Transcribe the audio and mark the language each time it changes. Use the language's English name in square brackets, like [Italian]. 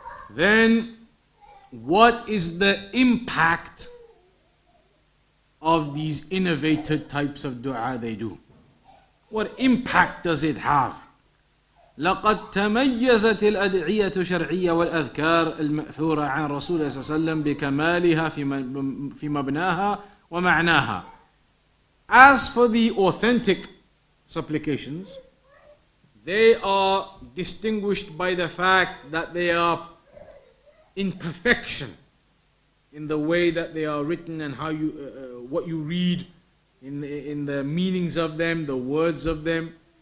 [English] Then, what is the impact of these innovated types of dua they do? What impact does it have? [Arabic] لقد تميزت الأدعية الشرعية والأذكار المأثورة عن رسول الله صلى الله عليه وسلم بكمالها في مبناها ومعناها. [English] As for the authentic supplications, they are distinguished by the fact that they are in perfection in the way that they are written and how you what you read in the meanings of them, the words of them.